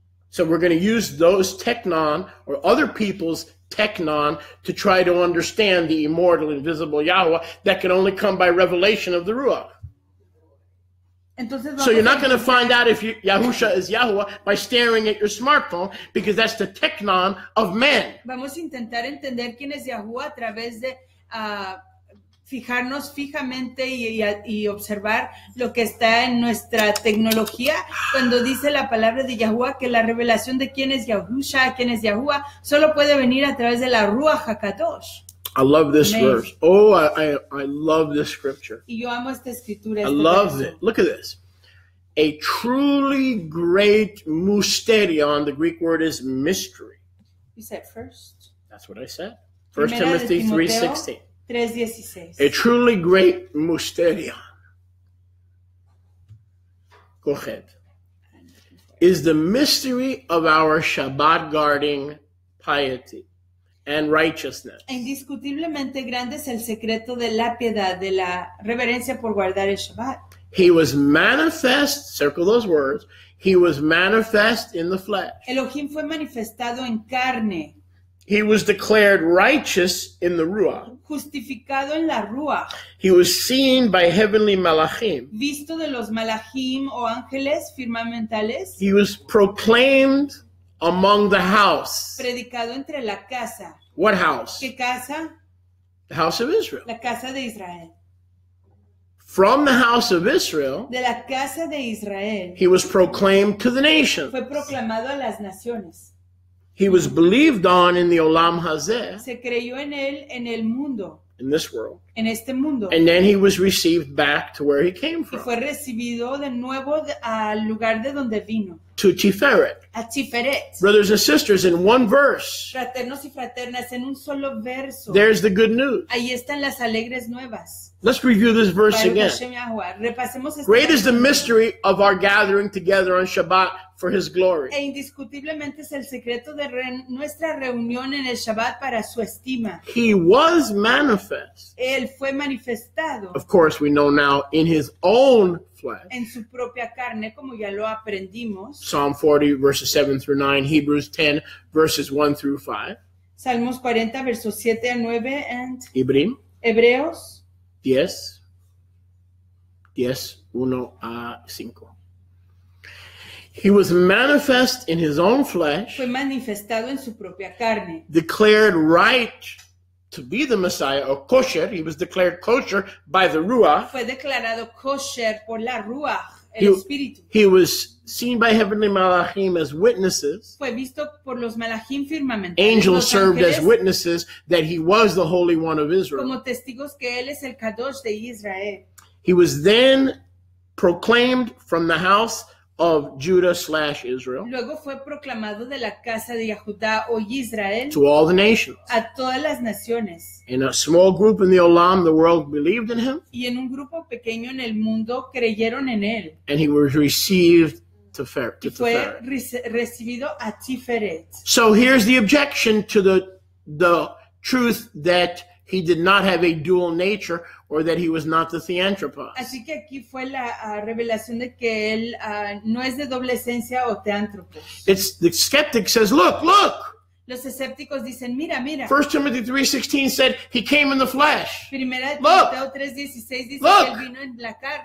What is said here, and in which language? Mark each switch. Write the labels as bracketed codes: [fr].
[en] So we're going to use those Teknon or other people's Teknon to try to understand the immortal, invisible Yahweh that can only come by revelation of the Ruach. [es] Entonces, [en] so you're not going to find out if Yahusha is Yahuwah by staring at your smartphone, because that's the Teknon of men. [es] Vamos a intentar entender quién es Yahuwah a través de... fijarnos fijamente y observar lo que está en nuestra tecnología cuando dice la palabra de Yahuwah que la revelación de quién es Yahusha, quién es Yahuwah, solo puede venir a través de la Ruach HaKadosh. [en] I love this Amen. Verse. Oh, I love this scripture. [es] Y yo amo esta escritura. [en] I love verse. It. Look at this. A truly great mysterion, the Greek word is mystery. You said first? That's what I said. 1 Timothy 3:16. 3:16. A truly great mysterion. Go ahead. Is the mystery of our Shabbat guarding piety and righteousness. [es] Indiscutiblemente grande es el secreto de la piedad, de la reverencia por guardar el Shabbat. [en] He was manifest, circle those words, he was manifest in the flesh. [es] Elohim fue manifestado en carne. [en] He was declared righteous in the Ruach. [es] Justificado en la Ruach. [en] He was seen by heavenly Malachim. [es] Visto de los Malachim o ángeles firmamentales. [en] He was proclaimed among the house. [es] Predicado entre la casa. [en] What house? [es] ¿Qué casa? [en] The house of Israel. [es] La casa de Israel. [en] From the house of Israel. [es] De la casa de Israel. [en] He was proclaimed to the nations. [es] Fue proclamado a las naciones. [en] He was believed on in the Olam Hazeh. [es] Se creyó en él en el mundo. [en] In this world. [es] En este mundo. [en] And then he was received back to where he came from. [es] Y fue recibido de nuevo al lugar de donde vino. [en] To Tiferet. [es] A Tiferet. [en] Brothers and sisters, in one verse. [es] Fraternos y fraternas, en un solo verso. [en] There's the good news. [es] Ahí están las alegres nuevas. [en] Let's review this verse again. Great is the mystery of our gathering together on Shabbat for His glory. [es] E indiscutiblemente es el secreto de nuestra reunión en el Shabbat para su estima. [en] He was manifest. [es] Él fue manifestado. [en] Of course, we know now in His own flesh. [es] En su propia carne, como ya lo aprendimos. [en] Psalm 40, verses 7 through 9, Hebrews 10, verses 1 through 5. [es] Salmos 40, versos 7 a 9, and [he] Ibrim. [es] Hebreos. [en] Yes. 10:1-5. He was manifest in his own flesh. [es] Fue manifestado en su propia carne. [en] Declared right to be the Messiah, or kosher. He was declared kosher by the Ruach. [es] Fue declarado kosher por la Ruach, el Espíritu. [en] He was seen by heavenly Malachim as witnesses. [es] Fue visto por los Malachim firmamente. [en] Angels served as witnesses that he was the Holy One of Israel. [es] Como testigos que él es el Kadosh de Israel. [en] He was then proclaimed from the house of Judah / Israel. [es] Luego fue proclamado de la casa de Yehudá o Israel. [en] To all the nations. [es] A todas las naciones. [en] In a small group in the Olam, the world believed in him. [es] Y en un grupo pequeño en el mundo creyeron en él. [en] And he was received to Tiferet. [es] Y fue recibido a Tiferet. [en] So here's the objection to the truth that he did not have a dual nature, or that he was not the Theanthropos. [es] Así que aquí fue la revelación de que él no es de doble esencia o Theanthropos. [en] It's the skeptic says, look, look. [es] Los escépticos dicen, mira, mira. [en] 1 Timothy 3:16 said he came in the flesh. [es] Primera Timoteo 3:16 dice que él vino en la carne.